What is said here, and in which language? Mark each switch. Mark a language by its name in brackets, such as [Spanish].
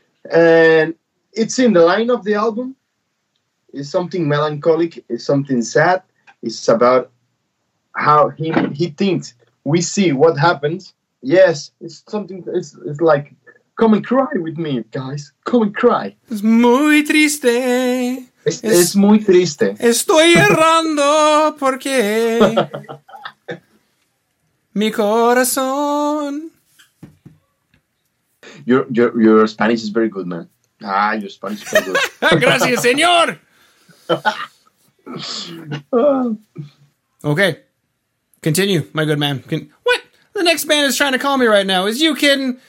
[English] And it's in the line of the album. It's something melancholic, it's something sad, it's about how he thinks. We see what happens. Yes, it's something, it's like, come and cry with me, guys. Come and cry. [Spanish] Es muy triste. Es muy triste. Estoy errando porque mi corazón. [English] Your Spanish is very good, man. Your Spanish is very good. [Spanish] Gracias, señor. [English] Okay, continue, my good man. What? The next band is trying to call me right now. Is you kidding?